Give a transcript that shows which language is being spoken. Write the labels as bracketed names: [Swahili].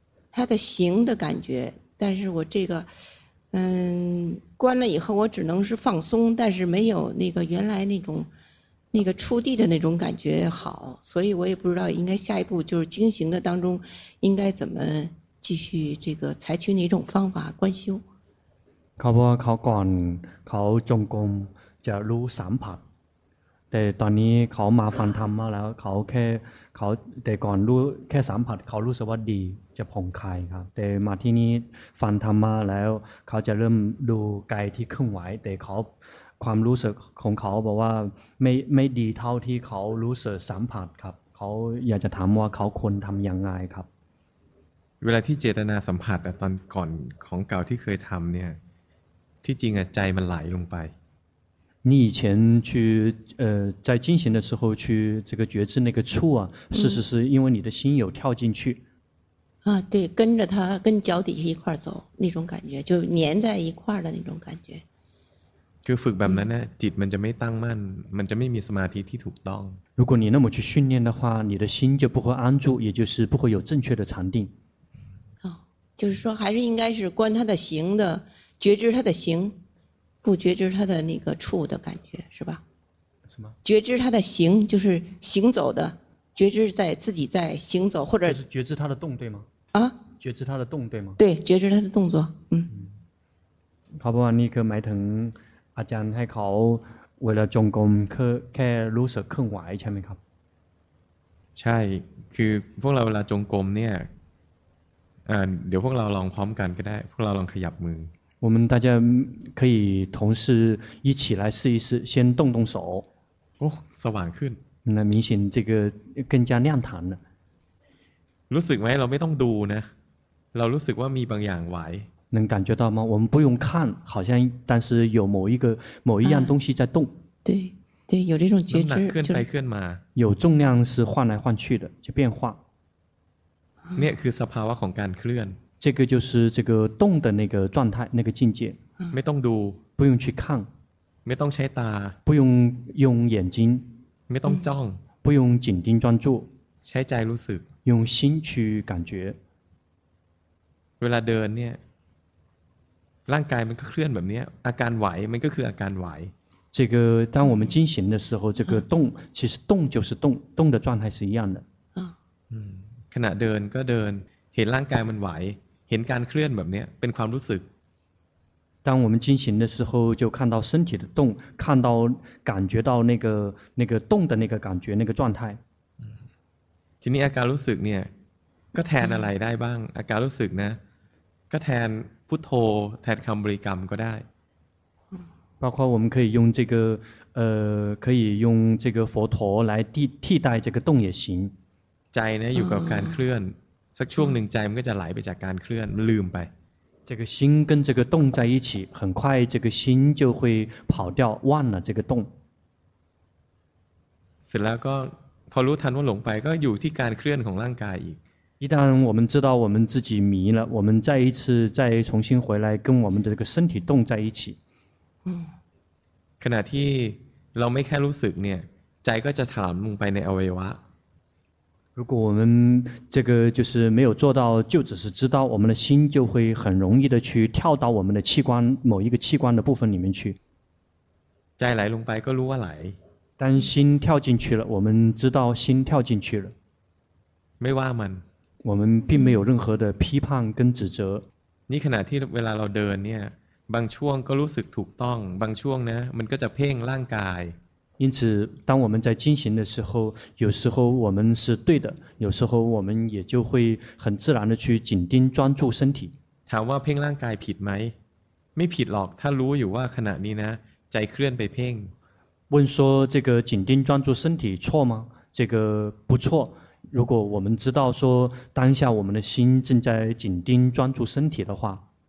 [Chinese] 它的行的感觉但是我这个观了以后我只能是放松但是没有那个原来那种那个触地的那种感觉好所以我也不知道应该下一步就是经行的当中应该怎么继续这个采取哪种方法观修 [Thai] เขาบอกว่าเขาก่อนเขาจงกรมจะรู้สัมผัสแต่ตอนนี้เขามาฟังธรรมมาแล้วเขาแค่เขาแต่ก่อนรู้แค่สัมผัสเขารู้สวัสดีจะผ่องคลายครับแต่มาที่นี้ฟังธรรมมาแล้วเขาจะเริ่มดูกายที่เคลื่อนไหวแต่เขาความรู้สึกของเขาบอกว่าไม่ดีเท่าที่เขารู้สึกสัมผัสครับเขาอยากจะถามว่าเขาควรทำยังไงครับ เวลาที่เจตนาสัมผัสตอนก่อนของเก่าที่เคยทำเนี่ยที่จริงอ่ะใจมันไหลลงไป [Chinese] 你以前去在进行的时候去这个觉知那个触啊事实是因为你的心有跳进去啊对跟着它跟脚底下一块走那种感觉就粘在一块的那种感觉 [Thai] คือฝึกแบบนั้นนะจิตมันจะไม่ตั้งมั่นมันจะไม่มีสมาธิที่ถูกต้อง [Chinese] 如果你那么去训练的话你的心就不会安住也就是不会有正确的禅定哦就是说还是应该是观它的行的觉知它的行不觉知它的那个触的感觉是吧什么觉知它的行就是行走的觉知在自己在行走或者就是觉知它的动对吗啊觉知它的动对吗对觉知它的动作好不好你可买疼 [Thai] อาจารย์ให้เขาเวลาจงกรมแค่รู้สึกเคลื่อนไหวใช่ไหมครับ ใช่คือพวกเราเวลาจงกรมเนี่ยเดี๋ยวพวกเราลองพร้อมกันก็ได้พวกเราลองขยับมือ [Chinese] 我们大家可以同时一起来试一试先动动手 [Thai] โอ้สว่างขึ้น [Chinese] 那明显这个更加亮堂了 [Thai] รู้สึกไหมเราไม่ต้องดูนะเรารู้สึกว่ามีบางอย่างไหว [Chinese] 能感觉到吗我们不用看好像但是有某一样东西在动对对有这种觉知就是有重量是换来换去的就变化 [Thai] เนี่ยคือสภาวะของการเคลื่อน [Chinese] 这个就是这个动的那个状态那个境界 [Thai] ไม่ต้องดู [Chinese] 不用去看 [Thai] ไม่ต้องใช้ตา [Chinese] 不用用眼睛 [Thai] ไม่ต้องจ้อง [Chinese] 不用紧盯专注 [Thai] ใช้ใจรู้สึก [Chinese] 用心去感觉 [Thai] เวลาเดินเนี่ยร่างกายมันก็เคลื่อนแบบนี้อาการไหวมันก็คืออาการไหว [Chinese] 这个当我们进行的时候这个动其实动就是动动的状态是一样的 [Thai] ขณะเดินก็เดินเห็นร่างกายมันไหวเห็นการเคลื่อนแบบนี้เป็นความรู้สึก [Chinese] 当我们进行的时候就看到身体的动看到感觉到那个动的那个感觉那个状态 [Thai] ทีนี้อาการรู้สึกเนี่ยก็แทนอะไรได้บ้างอาการรู้สึกนะก็แทนพุทโธแทนคำบริกรรมก็ได้ [Chinese] 包括我们可以用这个可以用这个佛陀来替代这个动也行 [Thai] ใจนะอยู่กับการเคลื่อนสักช่วงหนึ่งใจมันก็จะไหลไปจากการเคลื่อนลืมไป [Chinese] 这个心跟这个动在一起很快这个心就会跑掉忘了这个动 [Thai] เสร็จแล้วก็พอรู้ทันว่าหลงไปก็อยู่ที่การเคลื่อนของร่างกายอีก [Chinese] 一旦我们知道我们自己迷了我们再一次再重新回来跟我们的这个身体动在一起 [Thai] ขณะที่เราไม่แค่รู้สึกเนี่ยใจก็จะถลำลงไปในอวัยวะ [Chinese] 如果我们这个就是没有做到就只是知道我们的心就会很容易的去跳到我们的器官某一个器官的部分里面去 [Thai] ใจไหลลงไปก็รู้ว่าไหล [Chinese] 当心跳进去了我们知道心跳进去了 [Thai] ไม่ว่ามัน [Chinese] 我们并没有任何的批判跟指责 [Thai] นี่ขณะที่เวลาเราเดินเนี่ยบางช่วงก็รู้สึกถูกต้องบางช่วงนะมันก็จะเพ่งร่างกาย [Chinese] 因此当我们在进行的时候有时候我们是对的有时候我们也就会很自然的去紧盯专注身体 [Thai] ถามว่าเพ่งร่างกายผิดไหมไม่ผิดหรอกถ้ารู้อยู่ว่าขณะนี้นะ 在เคลื่อนไปเพ่ง [Chinese] 问说这个紧盯专注身体错吗？这个不错。如果我们知道说当下我们的心正在紧盯专注身体的话，